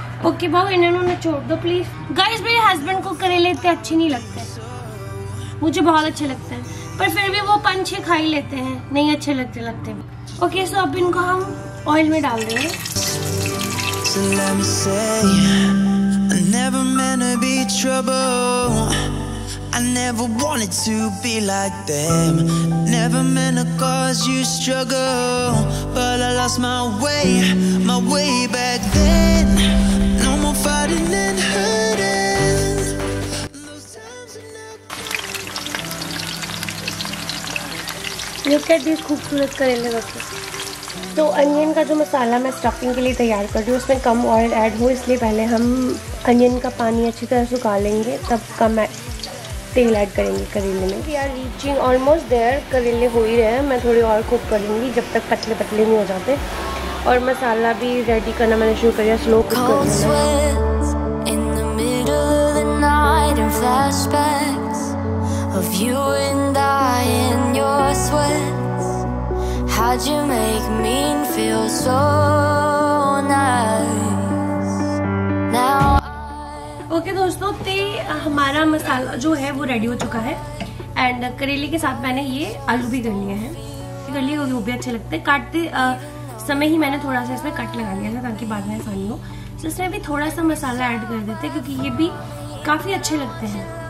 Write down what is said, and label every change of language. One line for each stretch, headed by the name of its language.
Hindi: Okay भाव इन्होंने छोड़ दो प्लीज. गाइस मेरे हस्बैंड को करेले इतने अच्छे नहीं लगते, मुझे बहुत अच्छे लगते हैं पर फिर भी वो पाँच छः खा ही लेते हैं, नहीं अच्छे लगते लगते. ओके सो अब इनको हम ऑयल में डाल देंगे.
English: So let me say, I never meant to be trouble. I never wanted to be like them. Never meant to cause you struggle. But I lost my way back then. No more fighting and hurting. Look at this
Hindi: खूबसूरत करेले बच्चे. तो onion का जो मसाला मैं stuffing के लिए तैयार कर रही हूँ उसमें कम ऑयल ऐड हो, इसलिए पहले हम अनियन का पानी अच्छी तरह सुखा लेंगे तब कम तेल ऐड करेंगे करेले में.
English: we are reaching almost there,
Hindi: करेले हो ही रहे हैं. मैं थोड़ी और कुक करूँगी जब तक पतले पतले नहीं हो जाते. और मसाला भी रेडी करना मैंने शुरू कर दिया स्लो कुक कर.
English: Of you and I in your sweats, how'd you make me feel so nice? Now
Hindi: okay, दोस्तों ते हमारा मसाला जो है वो रेडी हो चुका है. एंड करेले के साथ मैंने ये आलू भी कर लिए क्योंकि वो भी अच्छे लगते. काटते समय ही मैंने थोड़ा सा इसमें कट लगा लिया था ताकि बाद में ऐसा नहीं हो. सो इसमें भी थोड़ा सा मसाला ऐड कर देते क्योंकि ये भी काफ़ी अच्छे लगते हैं.